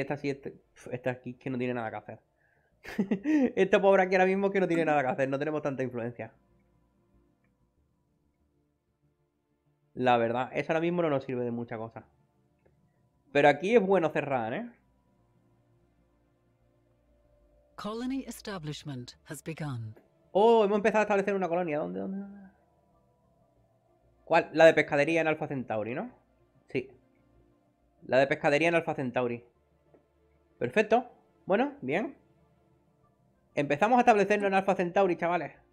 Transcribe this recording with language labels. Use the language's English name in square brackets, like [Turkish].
[Spanish] Esta aquí que no tiene nada que hacer. Esta pobre aquí ahora mismo que no tiene nada que hacer. No tenemos tanta influencia. La verdad, eso ahora mismo no nos sirve de mucha cosa. Pero aquí es bueno cerrar, ¿eh? [English] Colony establishment has begun. [Spanish] Oh, hemos empezado a establecer una colonia. ¿Dónde? ¿Cuál? La de pescadería en Alpha Centauri, ¿no? Sí. La de pescadería en Alpha Centauri. Perfecto. Bueno, bien. Empezamos a establecernos en Alpha Centauri, chavales.